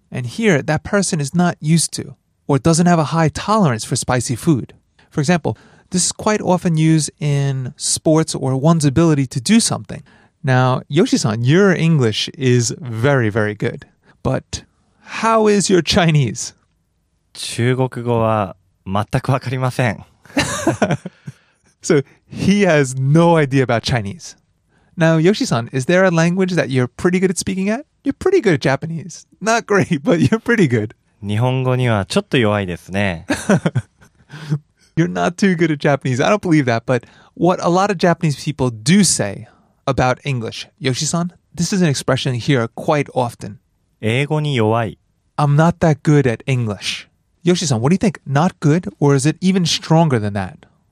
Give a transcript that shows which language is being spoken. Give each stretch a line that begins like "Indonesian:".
English: And here, that person is not used to or doesn't have a high tolerance for spicy food. For example, this is quite often used in sports or one's ability to do something. Now, Yoshi-san, your English is very, very good. But how is your Chinese?
Japanese: 中国語は全くわかりません。
English: So he has no idea about Chinese. Now, Yoshi-san, is there a language that you're pretty good at speaking at? You're pretty good at Japanese. Not great, but you're pretty good.
Japanese: 日本語にはちょっと弱いですね。
English: You're not too good at Japanese. I don't believe that. But what a lot of Japanese people do say about English, Yoshi-san, this is an expression you hear quite often.
Japanese: 英語に弱い。
English: I'm not that good at English. Yoshi-san, what do you think? Not good, or is it even stronger than that?